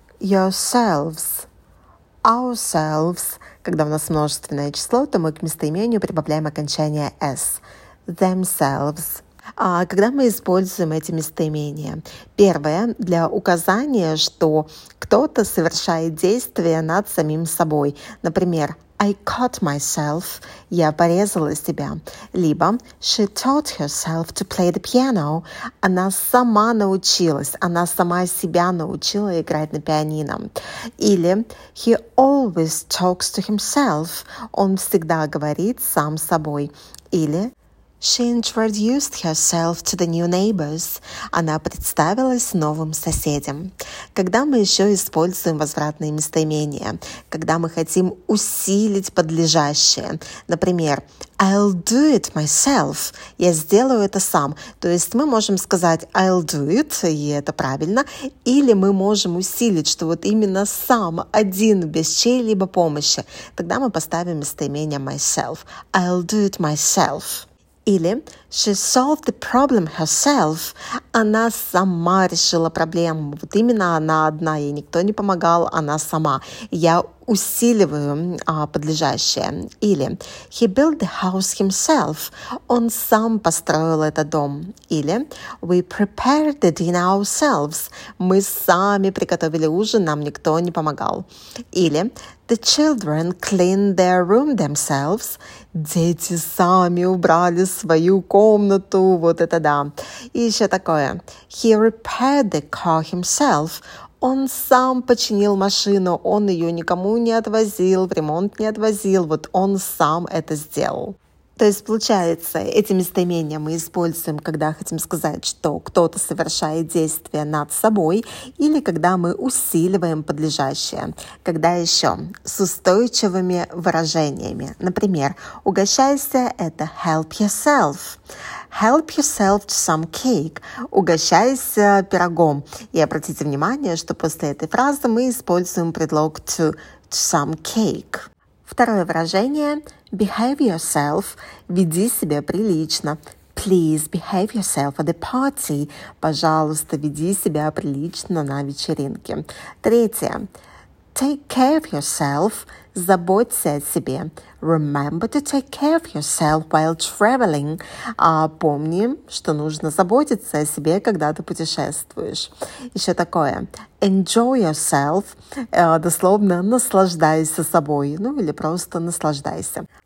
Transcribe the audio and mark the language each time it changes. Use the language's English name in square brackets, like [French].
[English] Yourselves. Ourselves. [Russian] Когда у нас множественное число, то мы к местоимению прибавляем окончание «s». [English] Themselves. [Russian] А когда мы используем эти местоимения? Первое, для указания, что кто-то совершает действие над самим собой. Например, [English] I cut myself. [Russian] Я порезала себя. Либо [English] she taught herself to play the piano. [Russian] Она сама научилась. Она сама себя научила играть на пианино. Или [English] he always talks to himself. [Russian] Он всегда говорит сам собой. Или [English] she introduced herself to the new neighbors. [Russian] Она представилась новым соседям. Когда мы еще используем возвратные местоимения? Когда мы хотим усилить подлежащее. [English] Например, I'll do it myself. [Russian] Я сделаю это сам. То есть мы можем сказать [English] I'll do it, [Russian] и это правильно. Или мы можем усилить, что вот именно сам, один, без чьей-либо помощи. Тогда мы поставим местоимение myself. [English] I'll do it myself. [Russian] Или [English] she solved the problem herself. [Russian] Она сама решила проблему. Вот именно она одна, ей никто не помогал, она сама. Я усиливаю подлежащее. Или [English] he built the house himself. [Russian] Он сам построил этот дом. Или [English] we prepared the dinner ourselves. [Russian] Мы сами приготовили ужин, нам никто не помогал. Или [English] the children cleaned their room themselves. [Russian] Дети сами убрали свою комнату. Вот это да. И еще такое. [English] He repaired the car himself. [Russian] Он сам починил машину, он ее никому не отвозил, в ремонт не отвозил, вот он сам это сделал. То есть, получается, эти местоимения мы используем, когда хотим сказать, что кто-то совершает действие над собой, или когда мы усиливаем подлежащее. Когда еще? С устойчивыми выражениями. Например, «угощайся» — это [English] «help yourself». Help yourself to some cake. [Russian] Угощайся пирогом. И обратите внимание, что после этой фразы мы используем предлог [English] to some cake. [Russian] Второе выражение. [English] Behave yourself. [Russian] Веди себя прилично. [English] Please behave yourself at the party. [Russian] Пожалуйста, веди себя прилично на вечеринке. Третье. [English] Take care of yourself. [Russian] Заботься о себе. [English] Remember to take care of yourself while traveling. [Russian] Помни, что нужно заботиться о себе, когда ты путешествуешь. Еще такое. [English] Enjoy yourself. [Russian] Дословно, наслаждайся собой. Ну, или просто наслаждайся.